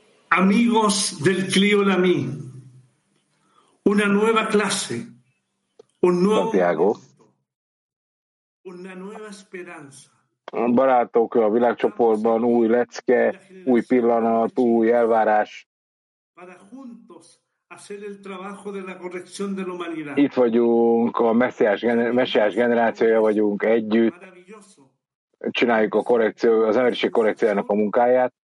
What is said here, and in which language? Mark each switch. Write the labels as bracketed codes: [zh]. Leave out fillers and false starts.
[es] Amigos del Kli Olami, una nueva clase, un nuevo Santiago, una nueva esperanza. [hu] Barátok, a világcsoportban új lecke, új pillanat, új elvárás. [es] Para juntos hacer el trabajo de la corrección de la humanidad. [hu] Itt vagyunk, a messiás generációja vagyunk együtt. Csináljuk a korrekció, az emberiség korrekciójának a munkáját.